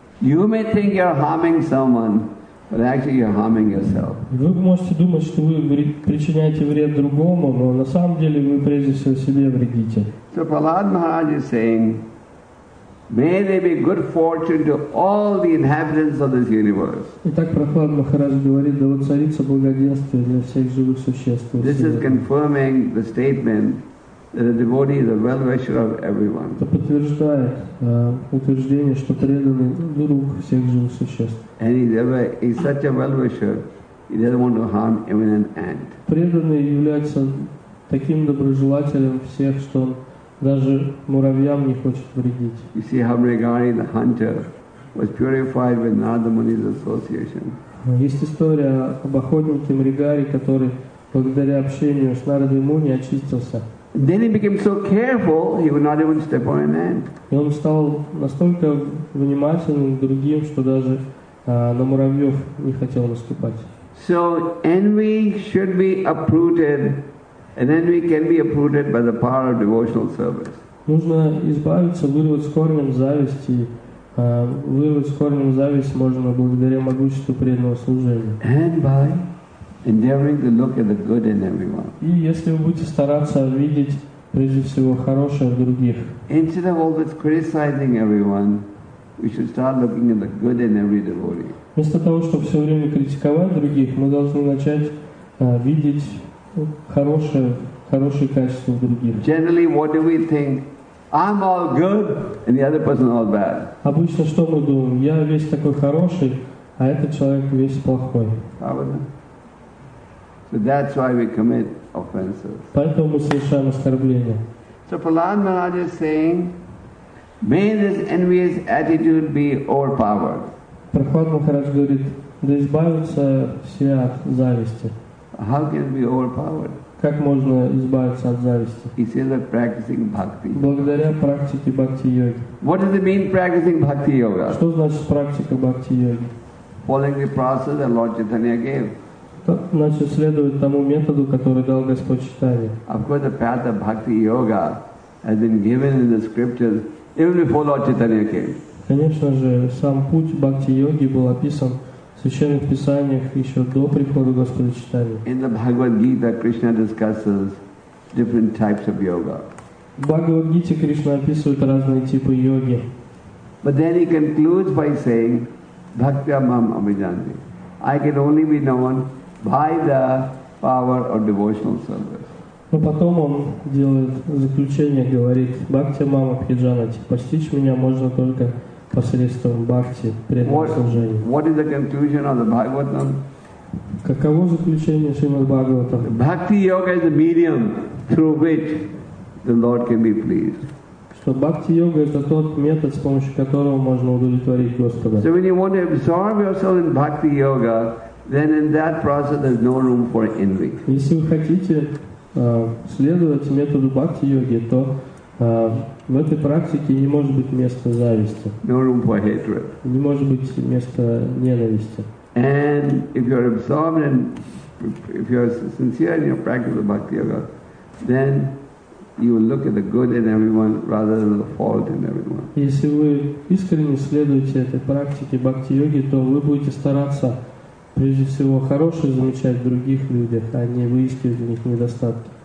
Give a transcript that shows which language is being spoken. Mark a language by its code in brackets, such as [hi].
[en] You may think you're harming someone, but actually you're harming yourself. [ru] Вы можете думать, что вы причиняете вред другому, но на самом деле вы прежде всего себе вредите. [en] So Prahlad Maharaj is saying, "May there be good fortune to all the inhabitants of this universe." [ru] Итак, Прохлад Махарадж говорит, да воцарится благоденствие для всех живых существ. [en] This is confirming the statement that a devotee is a well-wisher of everyone. [ru] Это подтверждает утверждение, что преданный друг всех живых существ. [en] And he's such a well-wisher, he doesn't want to harm even an ant. [ru] Преданный является таким доброжелателем всех, что даже муравьям не хочет вредить. [en] You see, Hamregari, the hunter, was purified with Narada Muni's association. [ru] Есть история об охотнике Мригари, который благодаря общению с Нарадой Муни очистился. [en] Then he became so careful, he would not even step on an ant. [ru] И он стал настолько внимательным к другим, что даже на муравьев не хотел наступать. [en] So envy should be uprooted, and envy can be uprooted by the power of devotional service. [ru] Нужно избавиться, вырвать с корнем зависти. Вырвать с корнем зависть можно благодаря могуществу преданного служения. [en] And by endeavoring to look at the good in everyone. [ru] И если вы будете стараться видеть прежде всего хорошее в других. [en] Instead of always criticizing everyone, we should start looking at the good in every devotee. [ru] Вместо того, чтобы все время критиковать других, мы должны начать видеть хорошие качества в других. [en] Generally, what do we think? I'm all good, and the other person all bad. [ru] Обычно что мы думаем? Я весь такой хороший, а этот человек весь плохой. [en] So that's why we commit offenses. [ru] Поэтому мы совершаем оскорбления. [en] So Prahlad Maharaj is saying, may this envious attitude be overpowered. [ru] Прохлад Махарадж говорит, да избавятся все от зависти. [en] How can it be overpowered? [ru] Как можно избавиться от зависти? [en] He says that practicing bhakti. [ru] Благодаря практике бхакти йоги. [en] What does it mean practicing bhakti yoga? [ru] Что значит практика бхакти йоги? [en] Following the process that Lord Chaitanya gave. [ru] Значит, следует тому методу, который дал Господь Читания. [en] Of course, the path of bhakti yoga has been given in the scriptures even before Lord Chaitanya came. [ru] Конечно же, сам путь бхакти йоги был описан в священных писаниях еще до прихода Господа Читания. [en] In the Bhagavad Gita, Krishna discusses different types of yoga. [ru] В Бхагавад Гите Кришна описывает разные типы йоги. [en] But then he concludes by saying, "Bhaktya mam abhijanti." I can only be known by the power of devotional service. [ru] Но потом он делает заключение, говорит, Бхакти мама пхиджанати, постичь меня можно только посредством бхакти, преданного служения. [en] What is the conclusion of the Bhagavatam? [ru] Каково заключение Шримад Бхагаватам? [en] Bhakti yoga is the medium through which the Lord can be pleased. [ru] Что бхакти йога это тот метод, с помощью которого можно удовлетворить Господа. [en] So when you want to absorb yourself in bhakti yoga, then in that process there's no room for envy. [ru] Если вы хотите следовать методу бхакти йоги, то в этой практике не может быть места зависти. [en] No room for hatred. [ru] Не может быть места ненависти. [en] And if you're absorbed and if you're sincere in your practice of bhakti yoga, then you will look at the good in everyone rather than the fault in everyone. [ru] Если вы искренне следуете этой практике бхакти йоги, то вы будете стараться прежде всего хорошее замечать в других людях, а не выискивать в них недостатки.